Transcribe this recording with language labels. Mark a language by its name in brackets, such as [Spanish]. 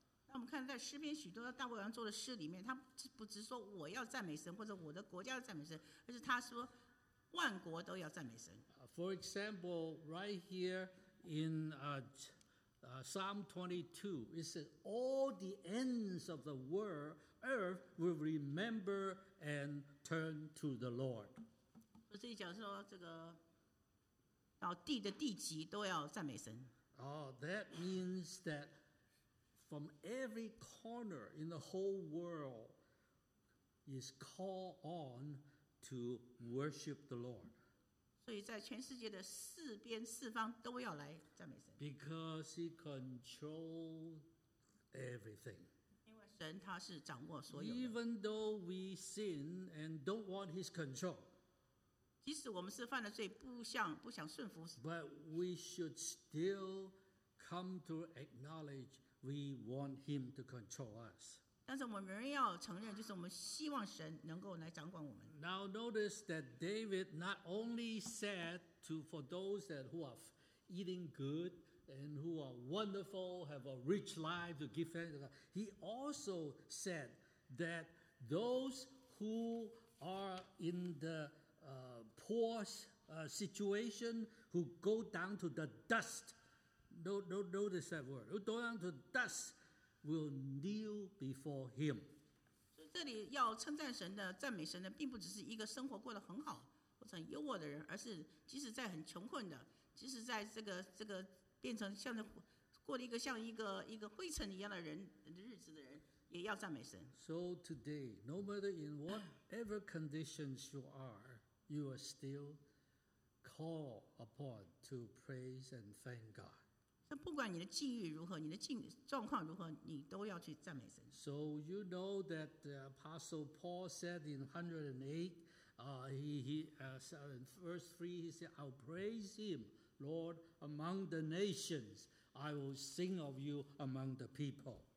[Chinese] 那我们看在诗篇许多大卫王做的诗里面，他不只说我要赞美神或者我的国家要赞美神，而是他说万国都要赞美神。 [English] For example, right here in Psalm 22, it says, "All the ends of the world, earth will remember and turn to the Lord." [Chinese] 我这里讲说这个到地的地极都要赞美神。 [English] Oh, that means that from every corner in the whole world is called on to worship the Lord. [Chinese] 所以在全世界的四边四方都要来赞美神。 [English] Because he controls everything. [Chinese] 因为神他是掌握所有的。 [English] Even though we sin and don't want his control. [Chinese] 即使我们是犯了罪，不想顺服。 [English] But we should still come to acknowledge we want Him to control us. [Chinese] 但是我们仍然要承认，就是我们希望神能够来掌管我们。 [English] Now notice that David not only said to for those that who are eating good, and who are wonderful, have a rich life to give thanks to God. He also said that those who are in the poor situation, who go down to the dust, notice that word, who go down to dust, will kneel before him. [Chinese] 这里要称赞神的、赞美神的，并不只是一个生活过得很好或者很优渥的人，而是即使在很穷困的，即使在这个变成像过了一个像一个灰尘一样的人的日子的人，也要赞美神。 [English] So today, no matter in whatever conditions you are, you are still called upon to praise and thank God. [Chinese] 不管你的境遇如何，你的状况如何，你都要去赞美神。 [English] So you know that the Apostle Paul said in 108, in verse 3, he said, I'll praise him, Lord, among the nations. I will sing of you among the people.